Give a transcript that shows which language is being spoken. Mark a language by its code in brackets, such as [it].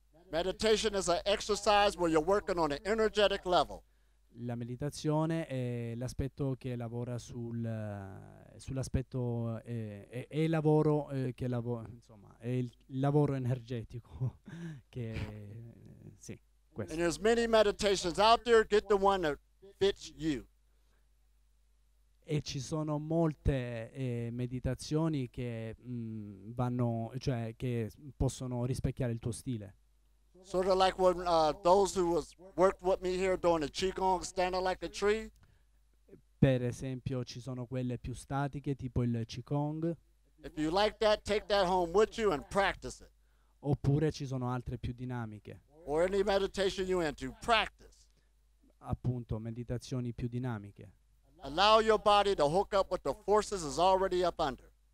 [en] Meditation is an exercise where you're working on an energetic level. [it] La meditazione è l'aspetto che lavora sul sull'aspetto è il lavoro che lavora, insomma, è il lavoro energetico che sì, questo. [en] And there's many meditations out there, get the one that fits you. [it] E ci sono molte meditazioni che vanno, cioè che possono rispecchiare il tuo stile. [en] Sort of like when those who was worked with me here doing the Qigong, standing like a tree. [it] Per esempio, ci sono quelle più statiche, tipo il Qigong. [en] If you like that, take that home with you and practice it. [it] Oppure ci sono altre più dinamiche. [en] Or any meditation you into, practice. [it] Appunto, meditazioni più dinamiche. [en] Allow your body to hook up with the forces is already up under.